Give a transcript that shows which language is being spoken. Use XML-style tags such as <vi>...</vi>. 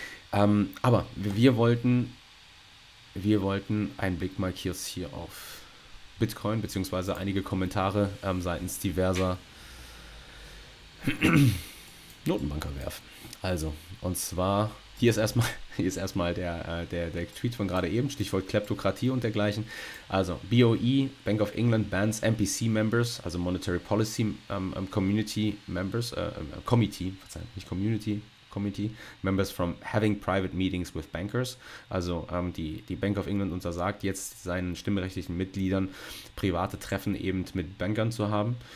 <de>Aber wir wollten einen Blick mal kurz hier auf Bitcoin, beziehungsweise einige Kommentare seitens diverser Notenbanker werfen. Also, und zwar, hier ist erstmal der Tweet von gerade eben, Stichwort Kleptokratie und dergleichen.</de> <en>Also, BOE, Bank of England, bans MPC Members, also Monetary Policy Community Members, Committee,</en> <de>verzeihen, nicht</de> <en>Community, Committee, members from having private meetings with bankers.</en> <de>Also die Bank of England untersagt jetzt seinen stimmberechtigten Mitgliedern, private Treffen eben mit Bankern zu haben.</de>